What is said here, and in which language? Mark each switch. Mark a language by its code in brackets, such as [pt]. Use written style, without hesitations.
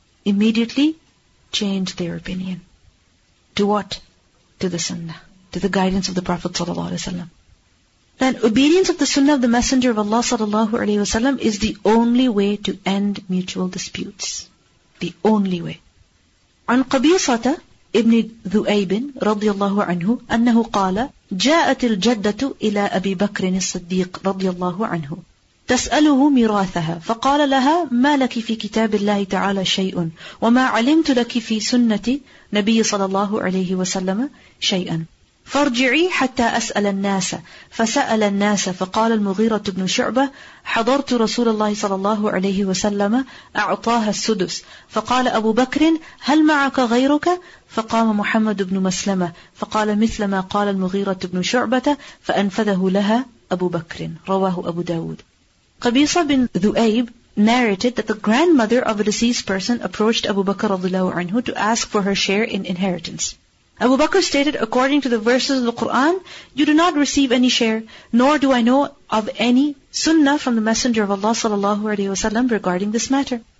[en] Immediately change their opinion. To what? To the sunnah. To the guidance of the Prophet ﷺ. Then obedience of the sunnah of the Messenger of Allah ﷺ is the only way to end mutual disputes. The only way. [ar] عن قبيصه ابن ذؤيب رضي الله عنه أنه قال جاءت الجدة إلى أبي بكر الصديق رضي الله عنه تسأله ميراثها فقال لها ما لك في كتاب الله تعالى شيء وما علمت لك في سنة نبي صلى الله عليه وسلم شيئا فارجعي حتى أسأل الناس فسأل الناس فقال المغيرة بن شعبة حضرت رسول الله صلى الله عليه وسلم أعطاها السدس فقال أبو بكر هل معك غيرك؟ فقام محمد بن مسلمة فقال مثل ما قال المغيرة بن شعبة فأنفذه لها أبو بكر رواه أبو داود. [en] قبيصة بن ذؤيب narrated that the grandmother of a deceased person approached Abu Bakr رضي الله عنه to ask for her share in inheritance. Abu Bakr stated, according to the verses of the Qur'an, you do not receive any share, nor do I know of any sunnah from the Messenger of Allah sallallahu alayhi wa sallam regarding this matter.